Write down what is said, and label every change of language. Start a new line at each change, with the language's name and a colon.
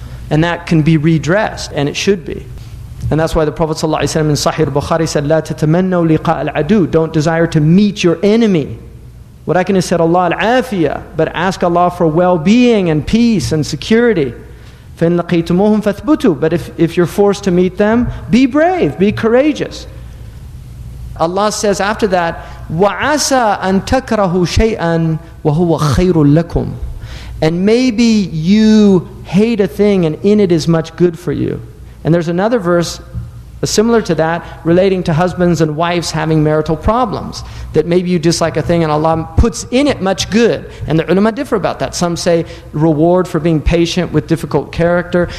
English: And that can be redressed, and it should be. And that's why the Prophet ﷺ in Sahih al-Bukhari said,
Arabic: لا تتمنوا لقاء العدو.
English: Don't desire to meet your enemy. What I can is said Allah al-afiyah, but ask Allah for well-being and peace and security.
Arabic: فَإِنْ لَقِيْتُمُوهُمْ فَاثْبُتُوا.
English: But if you're forced to meet them, be brave, be courageous. Allah says after that,
Arabic: وَعَسَىٰ أَن تَكْرَهُ شَيْئًا وَهُوَ خَيْرٌ لَكُمْ.
English: And maybe you hate a thing and in it is much good for you. And there's another verse similar to that relating to husbands and wives having marital problems. That maybe you dislike a thing and Allah puts in it much good. And the ulama differ about that. Some say reward for being patient with difficult character.